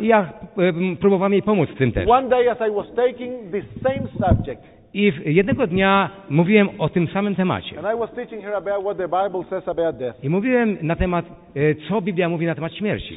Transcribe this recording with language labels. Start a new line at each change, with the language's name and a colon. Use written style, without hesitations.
Polish: I ja próbowałem jej pomóc w tym też.
English: One day, as I was taking the same subject.
Polish: I jednego dnia mówiłem o tym samym temacie.
English: And I was teaching her about what the Bible says about death.
Polish: I mówiłem na temat, co Biblia mówi na temat śmierci.